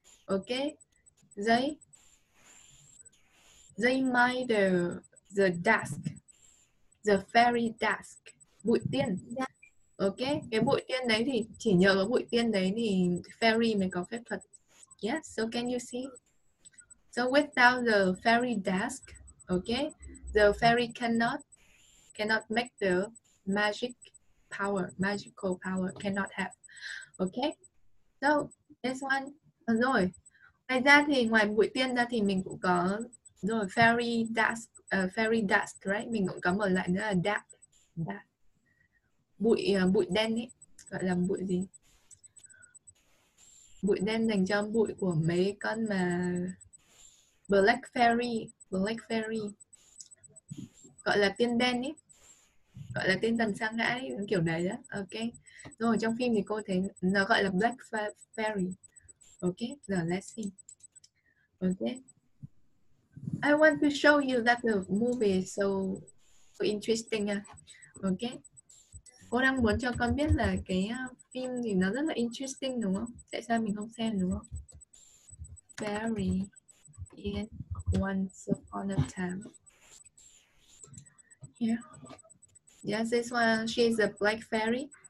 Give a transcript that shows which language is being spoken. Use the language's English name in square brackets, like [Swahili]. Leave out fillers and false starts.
[Vietnamese] Ok. Giấy. [English] They mine the dust. The fairy dust. [Vietnamese] Bụi tiên. [English] Ok. [Vietnamese] Cái bụi tiên đấy thì chỉ nhờ có bụi tiên đấy thì fairy mới có phép thuật. [English] Yes, so can you see? So without the fairy dust, okay, the fairy cannot make the magical power cannot have, okay. So this one, rồi. [Vietnamese] Ngoài ra thì ngoài bụi tiên ra thì mình cũng có rồi fairy dust, right? Mình cũng có một loại nữa là dust, bụi bụi đen ấy, gọi là bụi gì? Bụi đen dành cho bụi của mấy con mà Black Fairy gọi là tiên đen ý, gọi là tiên thần sa ngã kiểu đấy đó. Ok, rồi trong phim thì cô thấy nó gọi là Black Fairy. [English] Ok, now let's see. Ok, I want to show you that the movie is so interesting. [Vietnamese] Ok, cô đang muốn cho con biết là cái phim thì nó rất là interesting đúng không? Tại sao mình không xem đúng không? [English] Fairy in Once Upon a Time. Yeah. Yes, this one, she's a black fairy.